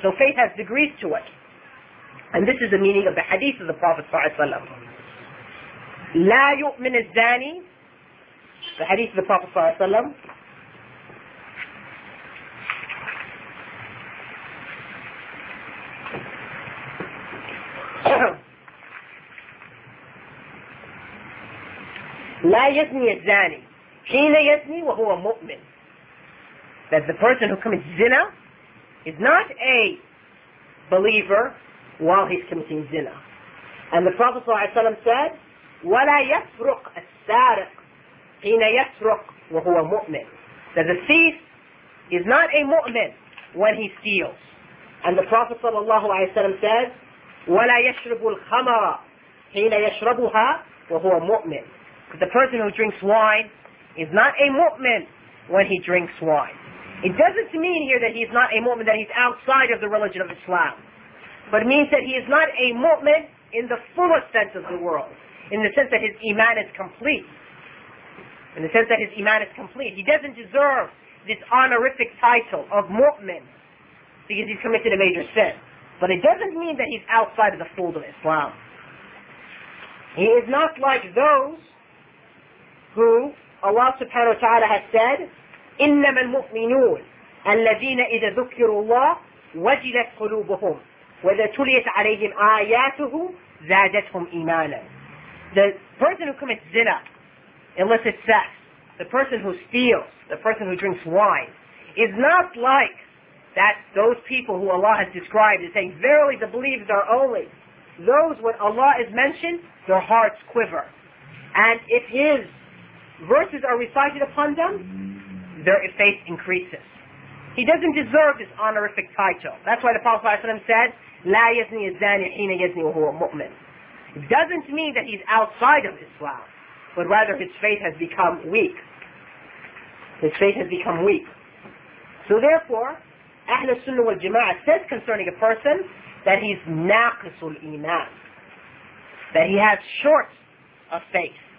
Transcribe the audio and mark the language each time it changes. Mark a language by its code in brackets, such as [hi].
[en] So faith has degrees to it. And this is the meaning of the hadith of the Prophet ﷺ. [ar] لا يؤمن الزاني, [en] the hadith of the Prophet ﷺ, [ar] لا يزني الزاني حين يزني وهو مؤمن. [en] That the person who commits zina is not a believer while he's committing zina. And the Prophet [ar] صلى الله عليه وسلم [en] said, [ar] ولا يسرق السارق حين يسرق وهو مؤمن. [en] That the thief is not a mu'min when he steals. And the Prophet [ar] صلى الله عليه وسلم [en] said, [ar] ولا يشرب الخمر حين يشربها وهو مؤمن. [en] The person who drinks wine is not a mu'min when he drinks wine. It doesn't mean here that he's not a mu'min, that he's outside of the religion of Islam. But it means that he is not a mu'min in the fullest sense of the world. In the sense that his iman is complete. In the sense that his iman is complete. He doesn't deserve this honorific title of mu'min because he's committed a major sin. But it doesn't mean that he's outside of the fold of Islam. He is not like those who Allah subhanahu wa ta'ala has said, [ar] إِنَّمَا الْمُؤْمِنُونَ الَّذِينَ إِذَا ذُكِّرُوا اللَّهِ وَجِلَتْ قُلُوبُهُمْ وَذَا تُلِيَتْ عَلَيْهِمْ آيَاتُهُ زَادَتْهُمْ إِيمَانًا. [en] The person who commits zina, illicit sex, the person who steals, the person who drinks wine, is not like that those people who Allah has described as saying, verily the believers are only. Those when Allah is mentioned, their hearts quiver. And if his verses are recited upon them, their faith increases. He doesn't deserve this honorific title. That's why the Prophet ﷺ said, [ar] لَا يَزْنِي الزَّانِي حِينَ يَزْنِي وَهُوَ مُؤْمِنٌ. [en] It doesn't mean that he's outside of Islam, but rather his faith has become weak. His faith has become weak. So therefore, [ar] أهل السنة والجماعة [en] says concerning a person that he's [ar] ناقص الإيمان, [en] that he has short of faith.